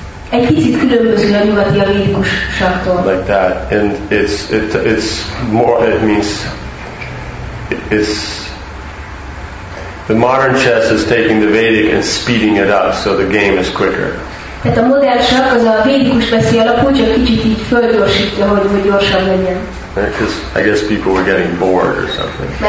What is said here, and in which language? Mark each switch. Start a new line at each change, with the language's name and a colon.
Hungarian: Egy kicsit különböző a nyugati a védikus sakktól.
English: Like that, and it's the modern chess is taking the Vedic and speeding it up, so the game is quicker.
Hungarian: Tehát a modern sakk az a védikus veszi alapul, csak kicsit így fölgyorsítja, hogy gyorsabb legyen.
English: I guess people were getting bored or something.